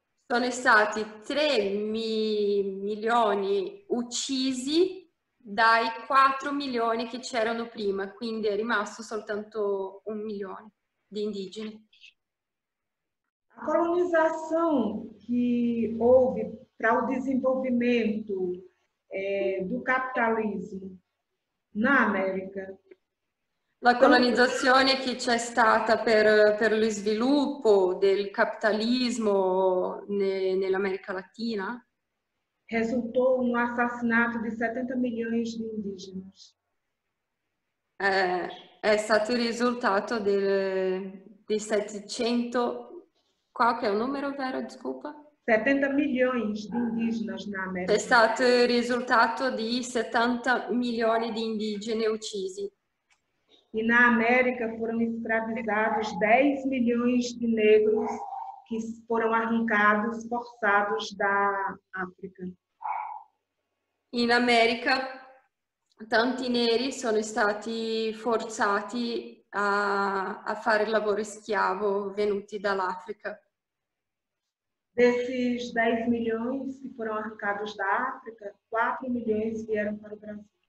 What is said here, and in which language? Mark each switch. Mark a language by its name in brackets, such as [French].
[Italian] Sono stati 3 milioni uccisi dai 4 milioni che c'erano prima, quindi è rimasto soltanto 1 milione di indigeni. [Portuguese] A colonização que houve para o desenvolvimento do capitalismo na América, [Italian] La tanto. colonizzazione che c'è stata per lo sviluppo del capitalismo nell'America Latina. [Portuguese] Resultou no assassinato di 70 milhões di indígenas. [Italian] È stato il risultato di 700. Qual che è il numero vero? [Portuguese] Desculpa. 70 milhões de indígenas na [Italian] È [Portuguese] América. [Italian] stato il risultato di 70 milioni di indigeni uccisi. [Portuguese] E na América foram escravizados 10 milhões de negros que foram arrancados, forçados da África. [Italian] In America tanti neri sono stati forzati a fare il lavoro schiavo venuti dall'Africa. [Portuguese] Desses 10 milhões que foram arrancados da África, 4 milhões vieram para o Brasil.